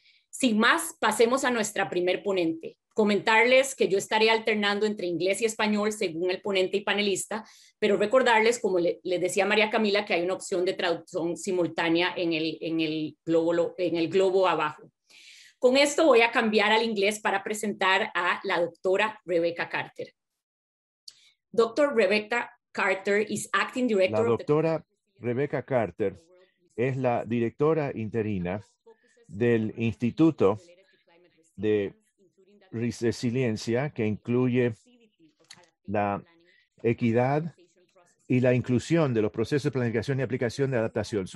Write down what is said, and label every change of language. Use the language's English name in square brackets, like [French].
[Spanish] Sin más, pasemos a nuestra primer ponente. Comentarles que yo estaré alternando entre inglés y español según el ponente y panelista, pero recordarles, como les decía María Camila, que hay una opción de traducción simultánea en el globo abajo. Con esto voy a cambiar al inglés para presentar a la doctora Rebecca Carter. [English] Dr. Rebecca Carter is acting director. [Spanish] La doctora Rebecca Carter es la directora interina del Instituto de Resiliencia, que incluye la equidad y la inclusión de los procesos de planificación y aplicación de adaptación.